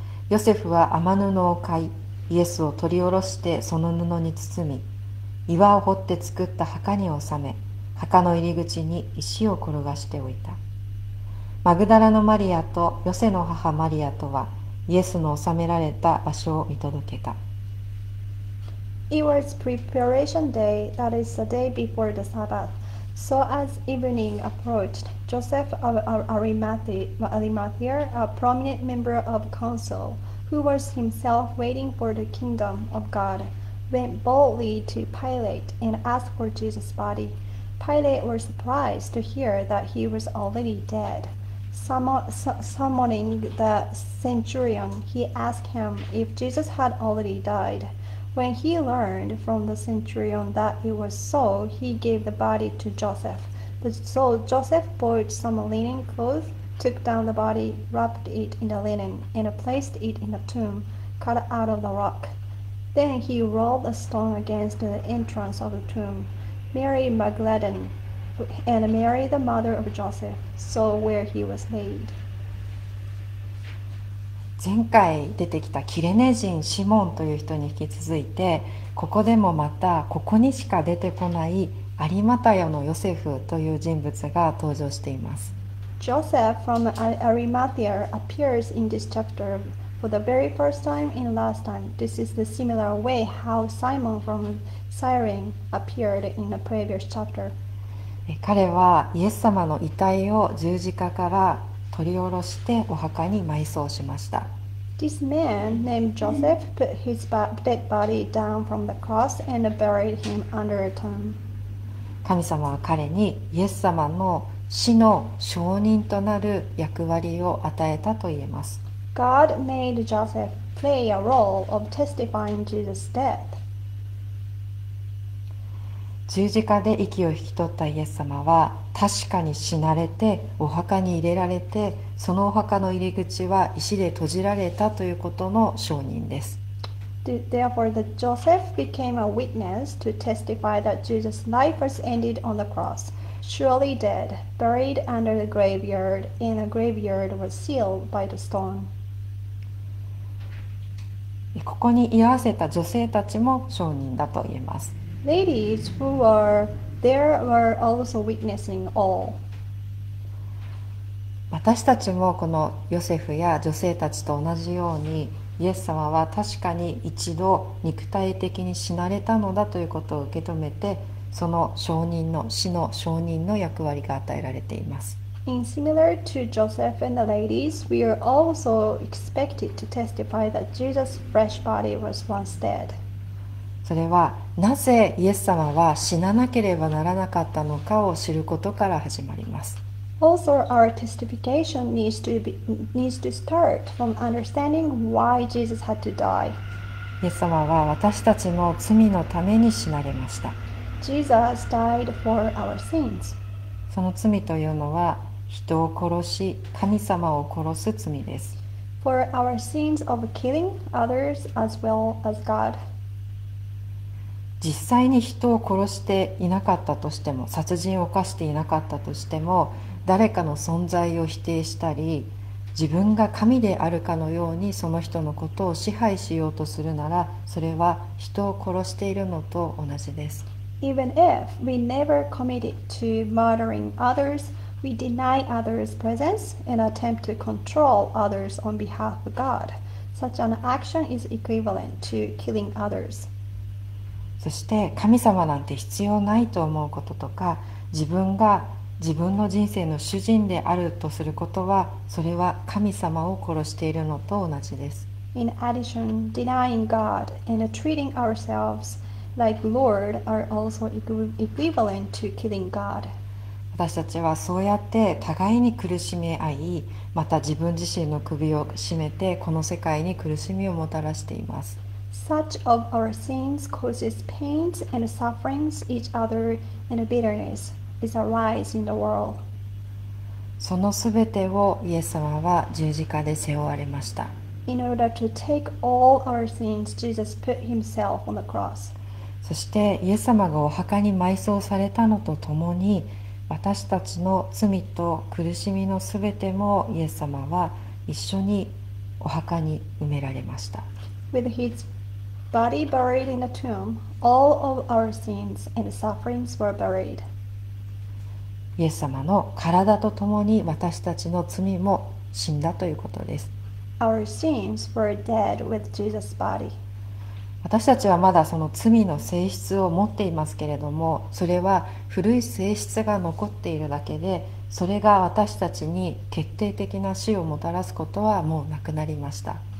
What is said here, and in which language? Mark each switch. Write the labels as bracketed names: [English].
[Japanese] ヨセフは雨布を買い、イエスを取り下ろしてその布に包み、岩を掘って作った墓に納め、墓の入り口に石を転がしておいた。マグダラのマリアとヨセの母マリアとはイエスの納められた場所を見届けた。 [English] It was preparation day, that is the day before the Sabbath. So as evening approached, Joseph of Arimathea, a prominent member of council, who was himself waiting for the kingdom of God, went boldly to Pilate and asked for Jesus' body. Pilate was surprised to hear that he was already dead. Summoning the centurion, he asked him if Jesus had already died. When he learned from the centurion that it was so, he gave the body to Joseph. So Joseph bought some linen cloth, took down the body, wrapped it in the linen, and placed it in a tomb cut out of the rock. Then he rolled a stone against the entrance of the tomb. Mary Magdalene and Mary the mother of Joseph saw where he was laid. [Japanese] 前回出てきたキレネ人シモンという人に引き続いて、ここでもまたここにしか出てこないアリマタヤのヨセフという人物が登場しています。 [English] Joseph from Arimathea appears in this chapter for the very first time and last time. This is the similar way how Simon from Cyrene appeared in the previous chapter. [Japanese] 彼はイエス様の遺体を十字架から取り下ろしてお墓に埋葬しました。 [English] This man named Joseph put his dead body down from the cross and buried him under a tomb. [Japanese] 神様は彼にイエス様の死の証人となる役割を与えたといえます。 [English] God made Joseph play a role of testifying Jesus' death. [Japanese] 十字架で息を引き取ったイエス様は確かに死なれて、お墓に入れられて、そのお墓の入り口は石で閉じられたということの証人です。 [English] Therefore, the Joseph became a witness to testify that Jesus' life was ended on the cross, surely dead, buried under the graveyard, and the graveyard was sealed by the stone. [Japanese] ここに居合わせた女性たちも証人だと言えます。 [English] Ladies who were there were also witnessing all. [Japanese] 私たちもこのヨセフや女性たちと同じように、イエス様は確かに一度肉体的に死なれたのだということを受け止めて、その証人の死の証人の役割が与えられています。 [English] In similar to Joseph and the ladies, we are also expected to testify that Jesus' fresh body was once dead. [Japanese] それはなぜイエス様は死ななければならなかったのかを知ることから始まります。 [English] Also, our testification needs to start from understanding why Jesus had to die. [Japanese] イエス様は私たちの罪のために死なれました。 [English] Jesus died for our sins. [Japanese] その罪というのは人を殺し、神様を殺す罪です。 [English] For our sins of killing others as well as God. [Japanese] 実際に人を殺していなかったとしても、殺人を犯していなかったとしても、誰かの存在を否定したり、自分が神であるかのようにその人のことを支配しようとするなら、それは人を殺しているのと同じです。 [English] Even if we never committed to murdering others, we deny others' presence and attempt to control others on behalf of God. Such an action is equivalent to killing others. [Japanese] そして神様なんて必要ないと思うこととか、自分が自分の人生の主人であるとすることは、それは神様を殺しているのと同じです。 [English] In addition, denying God and treating ourselves like Lord are also equivalent to killing God. [Japanese] 私たちはそうやって互いに苦しめ合い、また自分自身の首を絞めてこの世界に苦しみをもたらしています。 [English] Such of our sins causes pains and sufferings each other and bitterness is arise in the world. [Japanese] そのすべてをイエス様は十字架で背負われました。 [English] In order to take all our sins, Jesus put himself on the cross. [Japanese] そしてイエス様がお墓に埋葬されたのとともに、私たちの罪と苦しみのすべてもイエス様は一緒にお墓に埋められました。 [English] With his body buried in the tomb, all of our sins and sufferings were buried. [Japanese] イエス様の体とともに私たちの罪も死んだということです。 [English] Our sins were dead with Jesus' body. [Japanese] 私たちはまだその罪の性質を持っていますけれども、それは古い性質が残っているだけで、それが私たちに決定的な死をもたらすことはもうなくなりました。